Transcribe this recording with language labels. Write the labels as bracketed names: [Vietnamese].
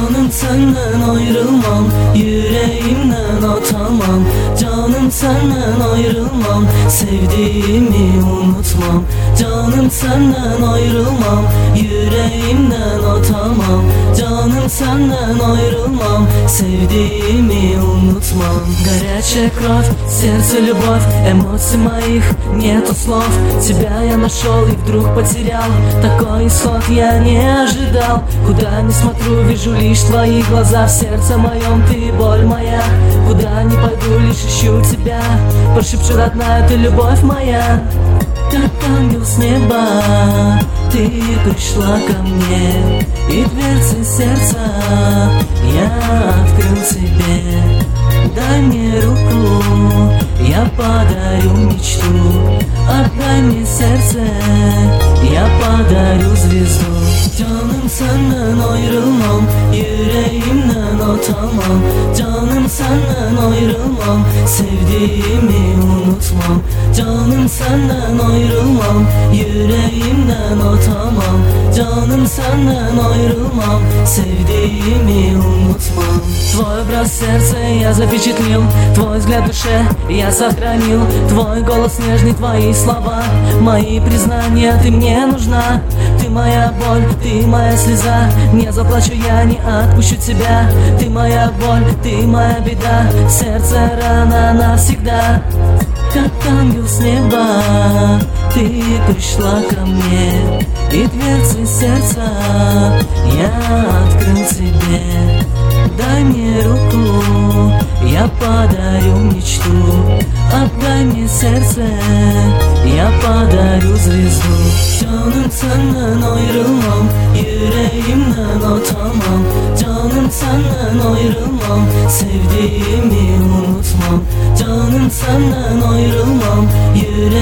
[Turkish] senden ayrılmam, yüreğimden atamam. Canım senden ayrılmam, sevdiğimi unutmam. Canım senden ayrılmam, yüreğimden atamam. Canım senden ayrılmam, sevdiğimi unutmam. [Russian] Горячая кровь, сердце любовь, эмоций моих нету слов. Тебя я нашел и вдруг потерял, такой исход я не ожидал. Куда ни смотрю, вижу лишь твои глаза, в сердце моем ты боль моя. Куда ни пойду, лишь ищу тебя, прошепчу, родная, ты любовь моя. Как ангел с неба, ты пришла ко мне, и дверцы сердца я открыл тебе. Дай мне руку, я подарю мечту. Отдай мне сердце, я подарю звезду. [Turkish] Canım senden ayrılmam, yüreğimden atamam. Canım senden ayrılmam, sevdiğimi unutmam. Canım senden ayrılmam, yüreğimden atamam. Canım senden ayrılmam, sevdiğimi unutmam. [Russian] Твой образ сердце я запечатлил, твой взгляд душе я сохранил. Твой голос нежный, твои слова, мои признания, ты мне нужна. Ты моя боль, ты моя слеза, не заплачу я, не отпущу тебя. Ты моя боль, ты моя беда, сердце рана навсегда. Как ангел с неба, ты пришла ко мне, и дверцы сердца я открыл тебе. Дай мне руку, я подарю мечту. Отдай мне сердце, я подарю звезду. [Turkish] Canım senden ayrılmam, yüreğimden atamam. Canım senden ayrılmam, sevdiğimi unutmam. Canım senden ayrılmam, yüreğimden atamam.